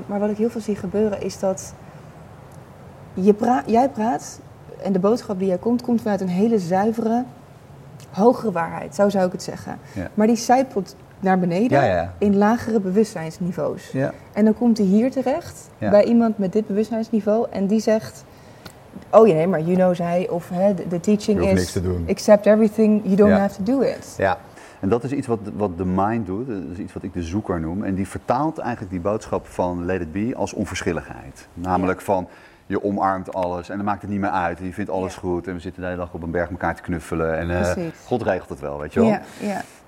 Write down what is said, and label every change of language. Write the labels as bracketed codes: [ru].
[nl] Maar wat ik heel veel zie gebeuren is dat jij praat en de boodschap die jij komt vanuit een hele zuivere, hogere waarheid. Zo zou ik het zeggen. Ja. Maar die sijpelt naar beneden ja. in lagere bewustzijnsniveaus. Ja. En dan komt hij hier terecht ja. bij iemand met dit bewustzijnsniveau en die zegt... Oh ja, maar Juno zei, of de teaching je hoeft is niks te doen. [en] Accept everything, you don't ja. have to do it. [nl] Ja, en dat is iets wat de mind doet, dat is iets wat ik de zoeker noem. En die vertaalt eigenlijk die boodschap van [en] let it be [nl] als onverschilligheid. Namelijk ja. van, je omarmt alles en dan maakt het niet meer uit. En je vindt alles ja. goed en we zitten de hele dag op een berg elkaar te knuffelen. En God regelt het wel, weet je wel. Ja, ja.